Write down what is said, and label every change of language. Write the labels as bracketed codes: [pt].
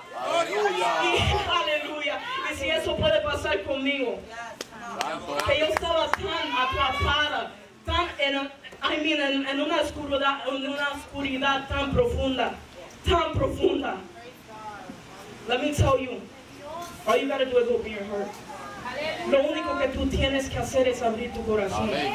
[es] aleluya, y si eso puede pasar conmigo. Que yo estaba tan atrapada, en una oscuridad tan profunda. [en] Let me tell you, all you gotta do is open your heart. [es] Lo único que tú tienes que hacer es abrir tu corazón.